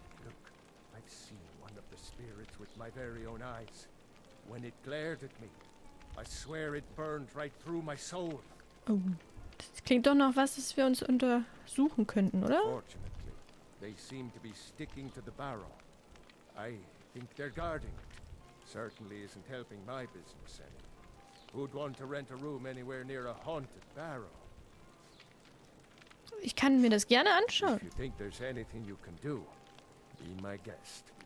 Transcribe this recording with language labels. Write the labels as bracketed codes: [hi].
[en] Look, I've seen one of the spirits with my very own eyes. When it glared at me, I swear it burned right through my soul. [de] Oh, das klingt doch noch was, das wir uns untersuchen könnten, oder? [en] Unfortunately, they seem to be sticking to the barrow. I think they're guarding it. Certainly isn't helping my business any. Who'd want to rent a room anywhere near a haunted barrow? [de] Ich kann mir das gerne anschauen. [en] If you think there's anything you can do, be my guest.